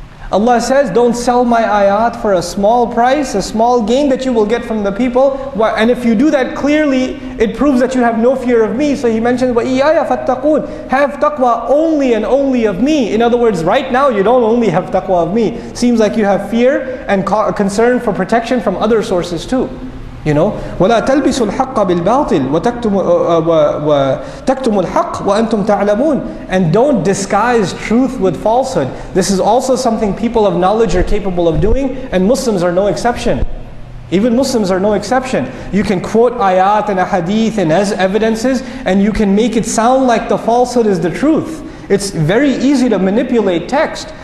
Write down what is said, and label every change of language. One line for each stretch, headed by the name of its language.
English: Allah says, don't sell my ayat for a small price, a small gain that you will get from the people. And if you do that clearly, it proves that you have no fear of me. So he mentions,
Arabic: وَإِيَّايَ فَاتَّقُونَ.
English: Have taqwa only and only of me. In other words, right now you don't only have taqwa of me. Seems like you have fear and concern for protection from other sources too. You know,
Arabic: وَلَا تَلْبِسُوا الْحَقَّ بِالْبَاطِلِ وَتَكْتُمُوا الْحَقَّ وَأَنْتُمْ تَعْلَمُونَ.
English: And don't disguise truth with falsehood. This is also something people of knowledge are capable of doing, and Muslims are no exception. Even Muslims are no exception. You can quote ayat and ahadith and as evidences, and you can make it sound like the falsehood is the truth. It's very easy to manipulate text.